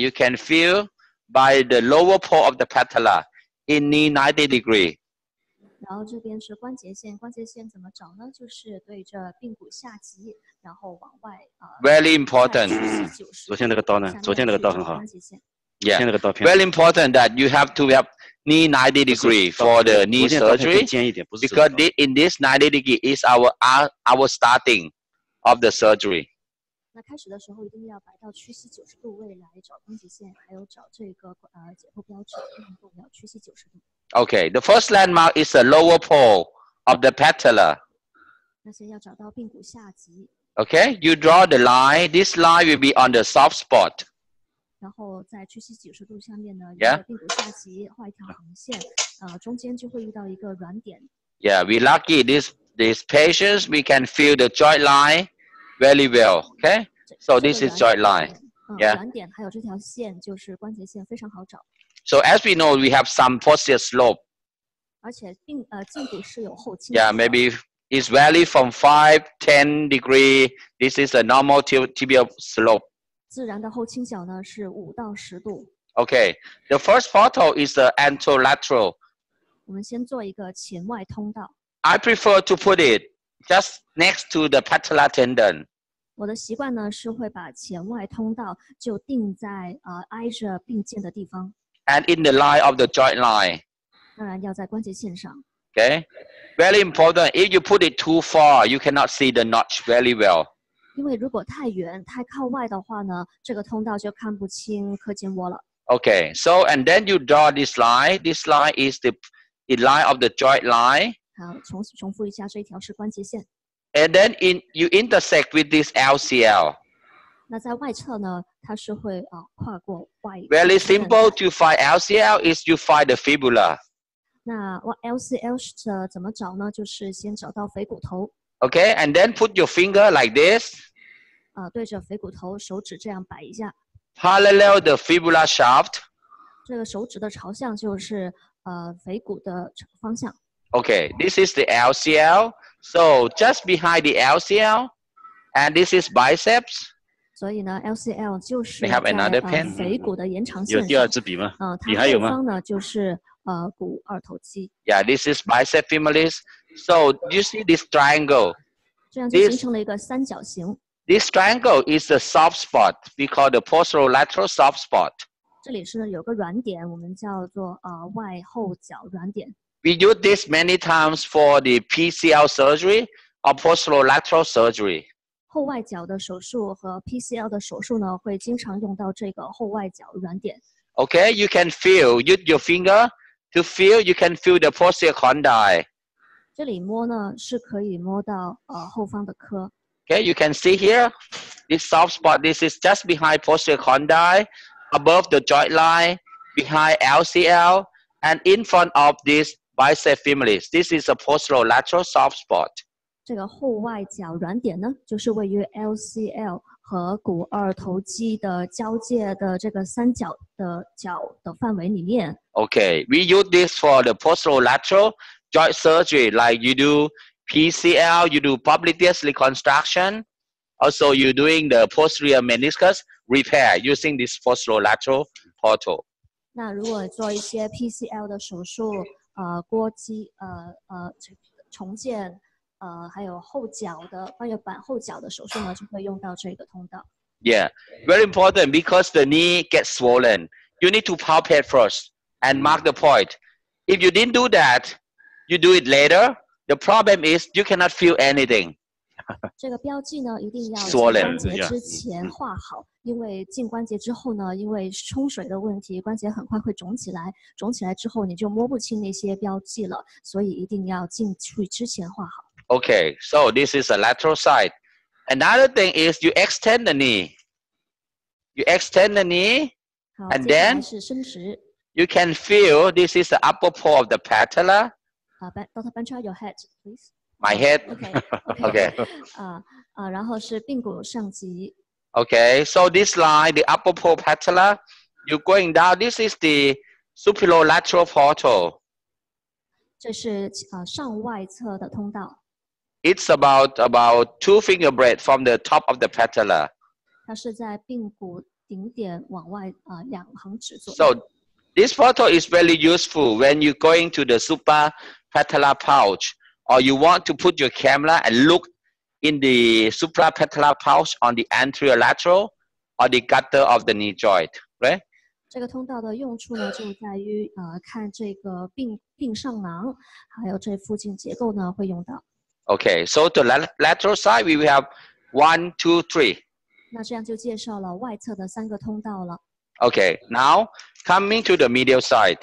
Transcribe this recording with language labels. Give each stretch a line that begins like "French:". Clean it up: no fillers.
English: You can feel by the lower pole of the patella in knee 90 degree.
Chinese: 然后这边是关节线，关节线怎么找呢？就是对着髌骨下棘，然后往外
English: Very important.
Chinese: 昨天那个刀呢？昨天那个刀很好。
English: Yeah. Very important that you have to have knee 90 degree for the knee surgery. Because in this 90 degree is our starting. Of the surgery.
Chinese: 那开始的时候一定要摆到屈膝九十度位来找关节线，还有找这个解剖标志，很重要。屈膝九十度。
English: Okay, the first landmark is the lower pole of the patella.
Chinese: 那先要找到髌骨下棘。
English: Okay, you draw the line. This line will be on the soft spot.
Chinese: 然后在屈膝九十度下面呢，沿着髌骨下棘画一条横线，中间就会遇到一个软点。
English: Yeah, we lucky this. These patients, we can feel the joint line very well. Okay, so this is joint line. Yeah.
Chinese: 软点还有这条线就是关节线，非常好找。
English: So as we know, we have some posterior slope.
Chinese: 而且胫骨是有后倾。
English: Yeah, maybe it's vary from 5-10 degree. This is a normal tibial slope.
Chinese: 自然的后倾角呢是5-10
English: degrees. Okay, the first portal is the anterolateral.
Chinese: 我们先做一个前外通道。
English: I prefer to put it just next to the patella tendon.
Chinese: 我的习惯呢是会把前外通道就定在挨着髌腱的地方。
English: And in the line of the joint line.
Chinese: 当然要在关节线上。
English: Okay, very important. If you put it too far, you cannot see the notch very well.
Chinese: 因为如果太远太靠外的话呢，这个通道就看不清髌腱窝了。
English: Okay, so and then you draw this line. This line is the line of the joint line.
Chinese: 重复一下，这一条是关节线。
English: And then you intersect with this LCL.
Chinese: 那在外侧呢，它是会跨过外。
English: Very simple to find LCL is you find the fibula.
Chinese: 那 LCL 是怎么找呢？就是先找到腓骨头。
English: Okay, and then put your finger like this.
Chinese: 对着腓骨头，手指这样摆一下。
English: Parallel the fibula shaft.
Chinese: 这个手指的朝向就是腓骨的方向。
English: Okay, this is the LCL. So just behind the LCL, and this is biceps.
Chinese: 所以呢 ，LCL 就是在腓骨的延长线。有第二支笔吗？笔还有吗？它后方呢就是股二头肌。
English: Yeah, this is bicep femoris. So you see this triangle.
Chinese: 这样就形成了一个三角形。
English: This triangle is the soft spot. We call the posterolateral soft spot.
Chinese: 这里是有个软点，我们叫做外后角软点。
English: We use this many times for the PCL surgery or posterolateral surgery.
Chinese: 后外脚的手术和 PCL 的手术呢，会经常用到这个后外脚软点。
English: Okay, you can feel. Use your finger to feel. You can feel the posterior condyle.
Chinese: 这里摸呢是可以摸到后方的髁。
English: Okay, you can see here. This soft spot. This is just behind posterior condyle, above the joint line, behind LCL.And in front of this bicep familis. This is a posterior lateral soft spot.
Chinese: 这个后外脚软点呢，就是位于 LCL 和股二头肌的交界的这个三角的角的范围里面。
English: Okay, we use this for the posterior lateral joint surgery, like you do PCL, you do public disc reconstruction, also you doing the posterior meniscus repair using this posterior lateral portal.
Chinese: 那如果做一些 PCL 的手术，腘肌，重建。还有后脚的半月板后脚的手术呢，就会用到这个通道。
English: Yeah, very important because the knee gets swollen. You need to palpate first and mark the point. If you didn't do that, you do it later. The problem is you cannot feel anything.
Chinese: 这个标记呢，一定要进关节之前画好，因为进关节之后呢，因为冲水的问题，关节很快会肿起来。肿起来之后，你就摸不清那些标记了，所以一定要进去之前画好。
English: Okay, so this is a lateral side. Another thing is you extend the knee. You extend the knee, and then you can feel this is the upper pole of the patella. Dr. Bancha, your head, please. My head?
Chinese: Okay. 然后是髌骨上棘。
English: Okay, so this line, the upper pole patella, you're going down. This is the superolateral portal.
Chinese: 这是上外侧的通道。
English: It's about two finger breadth from the top of the patella.
Chinese: 它是在髌骨顶点往外两行指左右。
English: So this photo is very useful when you're going to the super patella pouch, or you want to put your camera and look in the supra patella pouch on the anterior lateral or the gutter of the knee joint, right?
Chinese: 这个通道的用处呢，就在于看这个髌上囊，还有这附近结构呢，会用到。
English: Okay, so the lateral side, we will have one, two, three.
Chinese: 那这样就介绍了外侧的三个通道了。
English: Okay, now coming to the medial side.